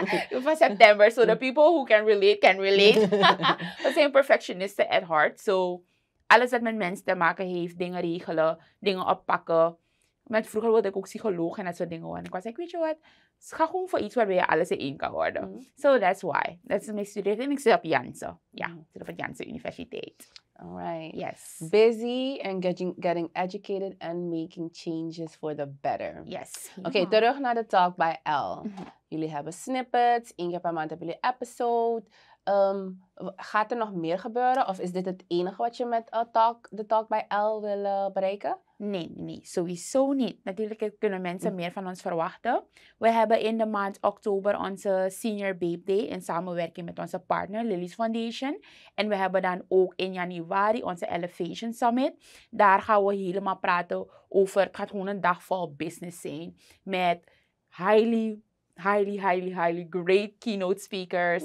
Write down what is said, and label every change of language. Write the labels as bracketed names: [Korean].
[Dutch] Van september, [English] so the people who can relate, can relate. [Dutch] We zijn perfectionisten [English] at heart. [Dutch] So alles wat met mensen te maken heeft, dingen regelen, dingen oppakken. Met vroeger wilde ik ook psycholoog en dat soort dingen. En ik was, weet je wat? Het gaat gewoon voor iets waarbij je alles in één kan worden. Mm-hmm. [English] So that's why. [Dutch] Dat is mijn studie. En ik zit op Janssen. Ja, ik zit op Janssen Universiteit. [English] All right. Yes. Busy and getting educated and making changes for the better. Yes. [Dutch] Oké, okay, terug naar de talk bij Elle. Mm-hmm. Jullie hebben snippets. 1 keer per maand hebben jullie episode. Gaat er nog meer gebeuren? Of is dit het enige wat je met de talk bij Elle wil bereiken? Nee, sowieso niet. Natuurlijk kunnen mensen meer van ons verwachten. We hebben in de maand oktober onze Senior Babe Day in samenwerking met onze partner Lily's Foundation. En we hebben dan ook in januari onze Elevation Summit. Daar gaan we helemaal praten over, het gaat gewoon een dag vol business zijn. [English] Met highly great keynote speakers.